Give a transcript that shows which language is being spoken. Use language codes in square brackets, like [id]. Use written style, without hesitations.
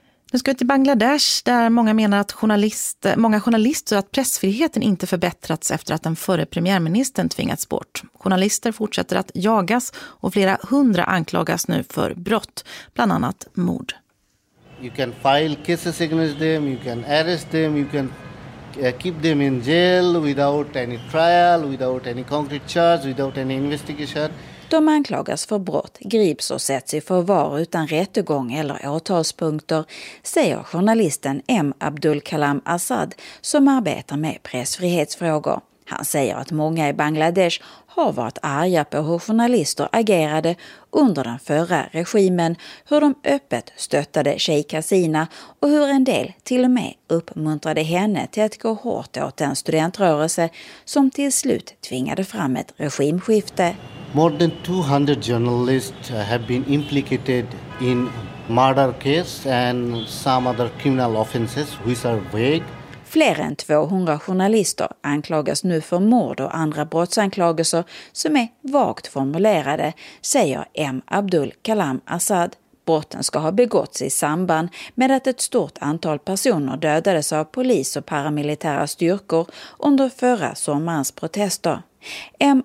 [sv] Nu ska vi till Bangladesh där många menar att många journalister att pressfriheten inte förbättrats efter att den förre premiärministern tvingats bort. Journalister fortsätter att jagas och flera hundra anklagas nu för brott, bland annat mord. [en] You can file cases against them, you can arrest them, you can keep them in jail without any trial, without any concrete charge, without any investigation. [sv] De anklagas för brott, grips och sätts i förvar utan rättegång eller åtalspunkter, säger journalisten M. Abdulkalam Assad som arbetar med pressfrihetsfrågor. Han säger att många i Bangladesh har varit arga på hur journalister agerade under den förra regimen, hur de öppet stöttade Sheikh Hasina och hur en del till och med uppmuntrade henne till att gå hårt åt den studentrörelse som till slut tvingade fram ett regimskifte. [en] More than 200 journalists have been implicated in murder case and some other criminal offenses which are vague. [sv] Fler än 200 journalister anklagas nu för mord och andra brottsanklagelser som är vagt formulerade, säger M. Abdulkalam Assad. Brotten ska ha begåtts i samband med att ett stort antal personer dödades av polis och paramilitära styrkor under förra sommarens protester. M.